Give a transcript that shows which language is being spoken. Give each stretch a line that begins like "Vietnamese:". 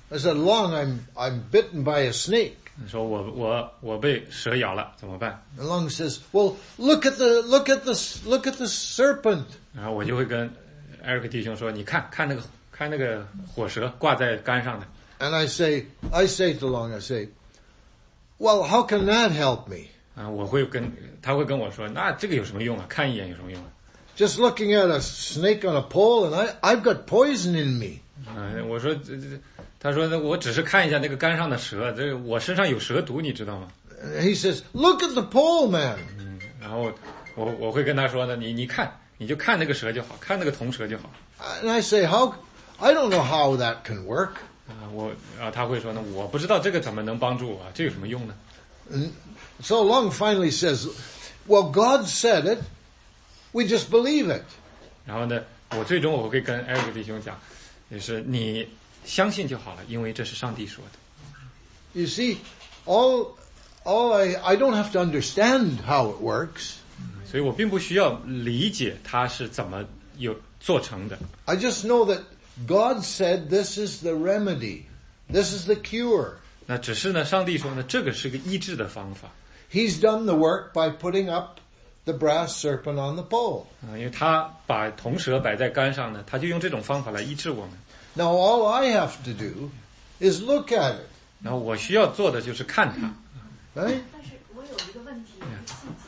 English: I said, Long, I'm bitten by a snake.
Chinese: 说我被蛇咬了怎么办。
English: And Long says, well, look at the serpent.
Chinese: 然后我就会跟 Eric 弟兄说你看看那个看那个火蛇挂在杆上的。
English: And I say to Long, I say, well, how can that help me?
Chinese: 他会跟我说，那这个有什么用啊？看一眼有什么用啊？
English: Just looking at a snake on a pole, and I've got poison in me.
Chinese: 我说，他说，我只是看一下那个杆上的蛇，这我身上有蛇毒，你知道吗？
English: He says, look at the pole, man.
Chinese: 然后我会跟他说呢，你看，你就看那个蛇就好，看那个铜蛇就好。
English: And I say, I don't know how that can work.
Chinese: 他会说呢，我不知道这个怎么能帮助我，这有什么用呢？
English: So Long finally says, well, God said it, we just believe it.
Chinese: 然后呢，我最终我会跟 Eric 弟兄讲，也是你相信就好了，因为这是上帝说的。
English: You see, I don't have to understand how it works.
Chinese: 所以我并不需要理解它是怎么有做成的。
English: I just know that,God said this is the remedy. This is the cure.
Chinese: 那只是呢上帝说呢这个是个医治的方法。
English: He's done the work by putting up the brass serpent on the pole.
Chinese: 因为他把铜蛇摆在杆上呢他就用这种方法来医治我们。
English: Now all I have to do is look at it.
Chinese: 那我需要做的就是看它。
English: Right?
Chinese: 但是我有一个问题一个细节。